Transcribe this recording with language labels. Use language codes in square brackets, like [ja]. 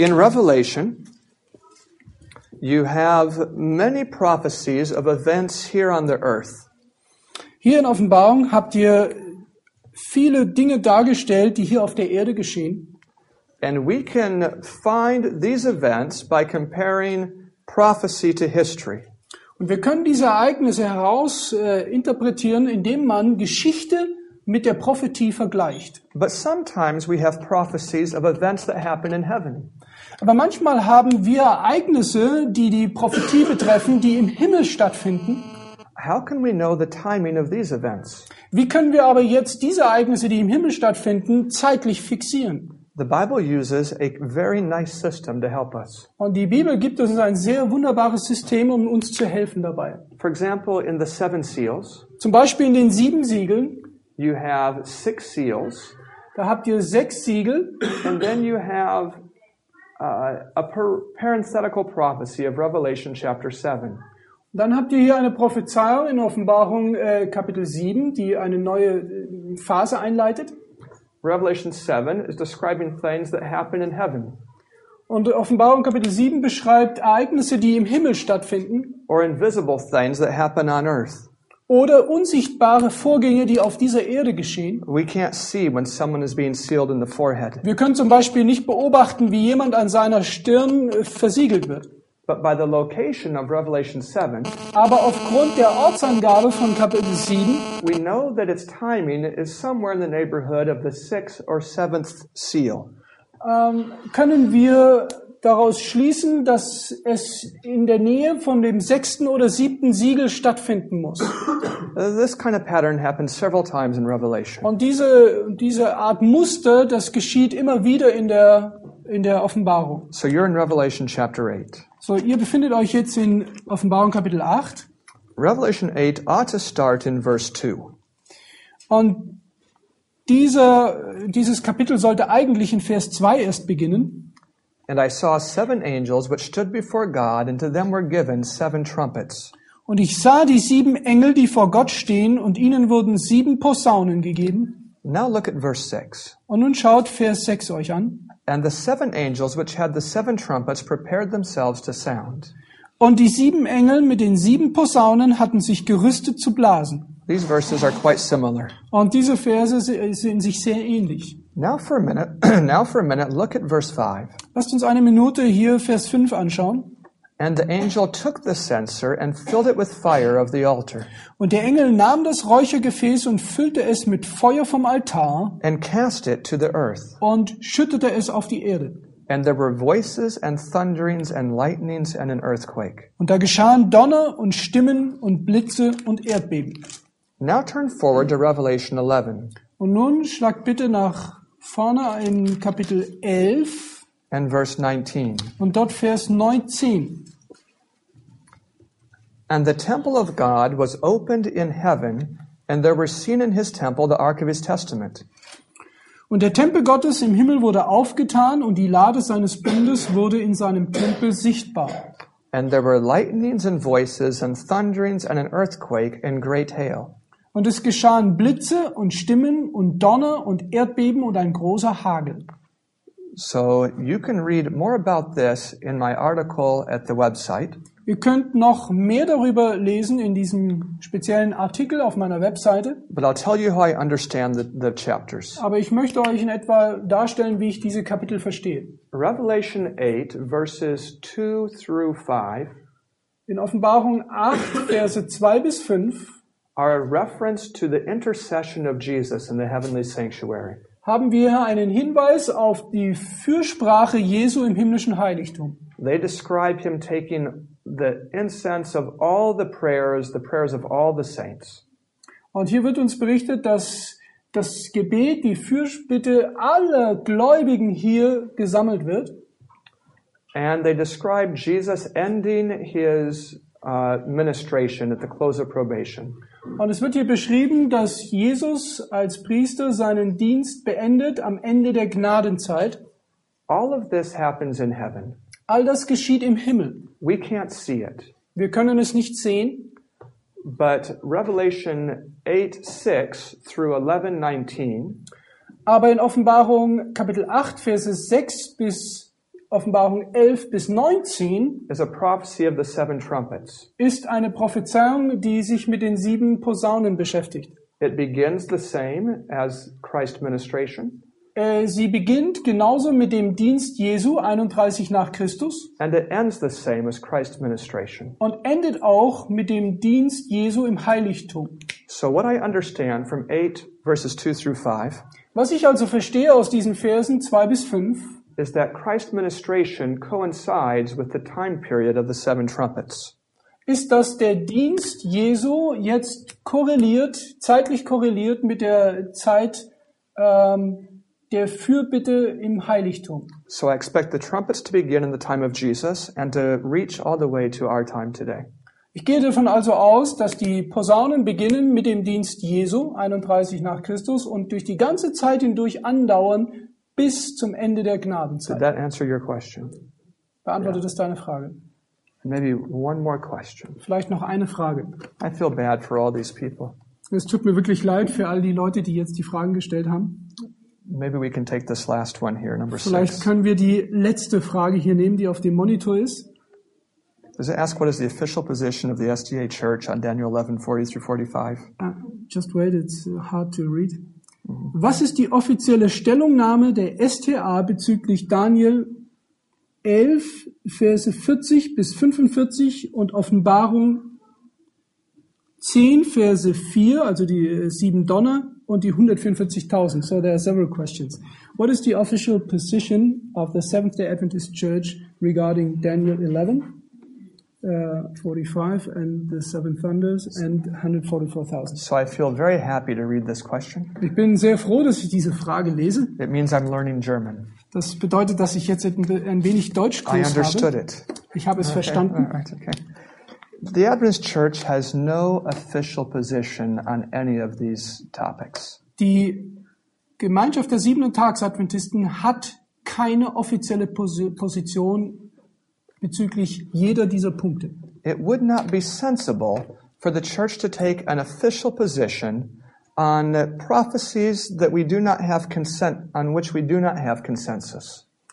[en] In Revelation you have many prophecies of events here on the earth. [de] Hier in Offenbarung habt ihr viele Dinge dargestellt, die hier auf der Erde geschehen. [en] And we can find these events by comparing prophecy to history. [de] Und wir können diese Ereignisse heraus interpretieren, indem man Geschichte mit der Prophetie vergleicht. [en] But sometimes we have prophecies of events that happen in heaven. [de] Aber manchmal haben wir Ereignisse, die die Prophetie betreffen, die im Himmel stattfinden. [en] How can we know the timing of these events? [de] Wie können wir aber jetzt diese Ereignisse, die im Himmel stattfinden, zeitlich fixieren? [en] The Bible uses a very nice system to help us. [de] Und die Bibel gibt uns ein sehr wunderbares System, um uns zu helfen dabei. [en] For example, in the seven seals. [de] Zum Beispiel in den sieben Siegeln. [en] You have six seals. [de] Da habt ihr sechs Siegel. [en] And then you have a parenthetical prophecy of Revelation chapter 7. [de] Dann habt ihr hier eine Prophezeiung in Offenbarung Kapitel 7, die eine neue Phase einleitet. [en] Revelation 7 is describing things that happen in heaven. [de] Und Offenbarung Kapitel 7 beschreibt Ereignisse, die im Himmel stattfinden. [en] Or invisible things that happen on earth. [de] Oder unsichtbare Vorgänge, die auf dieser Erde geschehen. [en] We can't see when someone is being sealed in the forehead. [de] Wir können zum Beispiel nicht beobachten, wie jemand an seiner Stirn versiegelt wird. [en] But by the location of Revelation 7, [de] aber aufgrund der Ortsangabe von Kapitel 7, [en] we know that its timing is somewhere in the neighborhood of the sixth or seventh seal. [de] Können wir daraus schließen, dass es in der Nähe von dem sechsten oder siebten Siegel stattfinden muss? [en] This kind of pattern happens several times in Revelation. [de] Und diese Art Muster, das geschieht immer wieder in der Offenbarung. [en] So you're in Revelation chapter 8. [de] So, ihr befindet euch jetzt in Offenbarung Kapitel 8. [en] Revelation 8 ought to start in verse 2. [de] Und dieses Kapitel sollte eigentlich in Vers 2 erst beginnen. [en] And I saw seven angels which stood before God, and to them were given seven trumpets. [de] Und ich sah die sieben Engel, die vor Gott stehen, und ihnen wurden sieben Posaunen gegeben. [en] Now look at verse 6. [de] Und nun schaut Vers 6 euch an. [en] And the seven angels which had the seven trumpets prepared themselves to sound. [de] Und die sieben Engel mit den sieben Posaunen hatten sich gerüstet zu blasen. [en] These verses are quite similar. [de] Und diese Verse sind sich sehr ähnlich. [en] Now for a minute look at verse 5. [de] Lasst uns eine Minute hier Vers 5 anschauen. [en] And the angel took the censer and filled it with fire of the altar. [de] Und der Engel nahm das Räuchergefäß und füllte es mit Feuer vom Altar. [en] And cast it to the earth. [de] Und schüttete es auf die Erde. [en] And there were voices and thunderings and lightnings and an earthquake. [de] Und da geschahen Donner und Stimmen und Blitze und Erdbeben. [en] Now turn forward to Revelation 11. [de] Und nun schlagt bitte nach vorne in Kapitel 11 [en] and verse 19. [de] Und dort Vers 19. [en] And the temple of God was opened in heaven, and there were seen in his temple the ark of his testament. [de] Und der Tempel Gottes im Himmel wurde aufgetan und die Lade seines Bundes wurde in seinem Tempel sichtbar. [en] And there were lightnings and voices and thunderings and an earthquake and great hail. [de] Und es geschahen Blitze und Stimmen und Donner und Erdbeben und ein großer Hagel. [en] So you can read more about this in my article at the website. [de] Ihr könnt noch mehr darüber lesen in diesem speziellen Artikel auf meiner Webseite. [en] But I'll tell you how I understand the chapters. [de] Aber ich möchte euch in etwa darstellen, wie ich diese Kapitel verstehe. [en] Revelation 8, verses 2 through 5. [de] In Offenbarung 8, Verse 2 bis 5. [en] Are a reference to the intercession of Jesus in the heavenly sanctuary. [de] Haben wir einen Hinweis auf die Fürsprache Jesu im himmlischen Heiligtum. [en] They describe him taking the incense of all the prayers of all the saints. [de] Und hier wird uns berichtet, dass das Gebet, die Fürbitte aller Gläubigen hier gesammelt wird. [en] And they describe Jesus ending his ministration at the close of probation. [de] Und es wird hier beschrieben, dass Jesus als Priester seinen Dienst beendet am Ende der Gnadenzeit. [en] All of this happens in heaven. [de] All das geschieht im Himmel. [en] We can't see it. [de] Wir können es nicht sehen. [en] But Revelation 8, 6 through 11, 19. [de] Aber in Offenbarung Kapitel 8, Verses 6 bis Offenbarung 11 bis 19 [en] is a prophecy of the seven trumpets. [de] Ist eine Prophezeiung, die sich mit den sieben Posaunen beschäftigt. [en] It begins the same as Christ's ministration. [de] Sie beginnt genauso mit dem Dienst Jesu 31 nach Christus. [en] And it ends the same as Christ's ministration. [de] Und endet auch mit dem Dienst Jesu im Heiligtum. [en] So what I understand from 8 verses 2 through 5. [de] Was ich also verstehe aus diesen Versen 2 bis 5 [en] is that Christ's ministration coincides with the time period of the seven trumpets. [de] Ist, dass der Dienst Jesu jetzt korreliert, zeitlich korreliert mit der Zeit der Fürbitte im Heiligtum. [en] So I expect the trumpets to begin in the time of Jesus and to reach all the way to our time today. [de] Ich gehe davon also aus, dass die Posaunen beginnen mit dem Dienst Jesu 31 nach Christus und durch die ganze Zeit hindurch andauern bis zum Ende der Gnadenzeit. [en] Did that answer your question? [de] Beantwortet das deine Frage? [en] Maybe one more question. [de] Vielleicht noch eine Frage. [en] I feel bad for all these people. [de] Es tut mir wirklich leid für all die Leute, die jetzt die Fragen gestellt haben. [en] Maybe we can take this last one here, number six. [de] Vielleicht können wir die letzte Frage hier nehmen, die auf dem Monitor ist. [en] Does it ask what is the official position of the SDA Church on Daniel 11, 40 through 45? Just wait, it's hard to read. [de] Was ist die offizielle Stellungnahme der STA bezüglich Daniel 11, Verse 40 bis 45 und Offenbarung 10, Verse 4, also die sieben Donner und die 144.000? [en] So there are several questions. What is the official position of the Seventh-day Adventist Church regarding Daniel 11, 45 and the seven thunders and 144,000. So I feel very happy to read this question. [de] Ich bin sehr froh, dass ich diese Frage lese. [en] It means I'm learning German. [de] Das bedeutet, dass ich jetzt ein wenig Deutsch kurs habe. [en] I understood it. [de] Ich habe es verstanden. [en] All right, okay. The Adventist Church has no official position on any of these topics. [de] Die Gemeinschaft der Siebenten Tags Adventisten hat keine offizielle Position bezüglich jeder dieser Punkte. [en] It would not be sensible for the church to take an official position on prophecies that we do not have consent on which we do not have consensus.